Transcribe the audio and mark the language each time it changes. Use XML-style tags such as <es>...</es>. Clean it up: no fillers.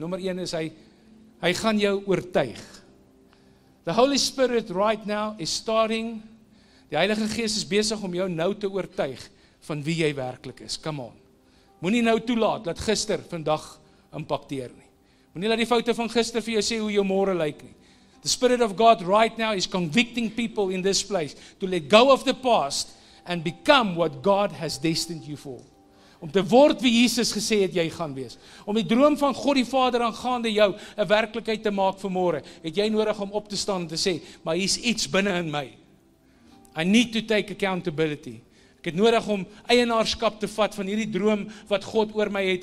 <af>Nommer 1 is hy gaan jou oortuig.</af> <en>The Holy Spirit right now is starting.</en> <af>Die Heilige Gees is besig om jou nou te oortuig van wie jy werklik is.</af> <en>Come on.</en> <af>Moenie nou toelaat dat gister vandag impakteer nie. Moenie laat die foute van gister vir jou sê hoe jou môre lyk nie.</af> <en>The Spirit of God right now is convicting people in this place to let go of the past and become what God has destined you for.</en> <af>Om te word wie Jesus gesê het jy gaan wees. Om die droom van God die Vader aangaande jou 'n werklikheid te maak vanmôre, het jy nodig om op te staan en te sê, maar hier's iets binne in my.</af> <en>I need to take accountability.</en> <af>Ek het nodig om eienaarskap te vat van hierdie droom wat God oor my het.</af>